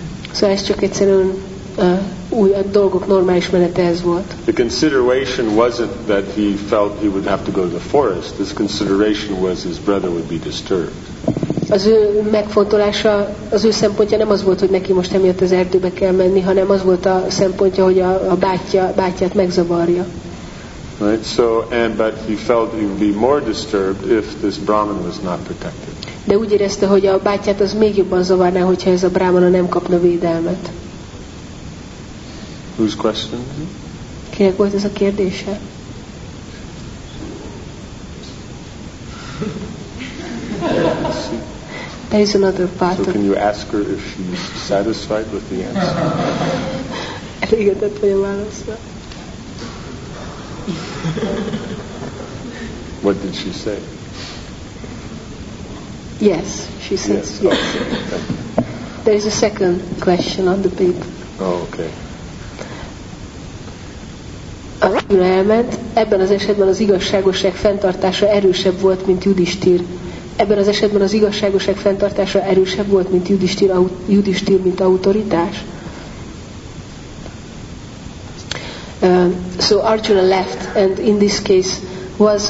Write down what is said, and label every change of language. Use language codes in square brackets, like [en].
[hu] Szóval ez csak egyszerűen új a dolgok normális menete ez volt. [en] The consideration wasn't that he felt he would have to go to the forest. This consideration was his brother would be disturbed. [hu] Az ő megfontolása, az ő szempontja nem az volt, hogy neki most emiatt az erdőbe kell menni, hanem az volt a szempontja, hogy a bátyját megzavarja. [en] Right, so and but he felt he would be more disturbed if this Brahman was not protected. [hu] De úgy érezte, hogy a bátyját az még jobban zavarná, hogyha ez a brámana nem kapna védelmet. [en] Whose question? [hu] Kinek volt ez a kérdése? [en] There is another part. So can you ask her if she's satisfied with the answer? [hu] Elégedett vagy a válaszra. [en] What did she say? Yes, she says yes. Oh, okay. There is a second question on the paper. Oh, okay. [hu] Arjuna elment. Ebben az esetben az igazságosság fenntartása erősebb volt, mint Yudhisthira. Ebben az esetben az igazságosság fenntartása erősebb volt, mint Yudhisthira, mint autoritás. [en] So Arjuna left, and in this case was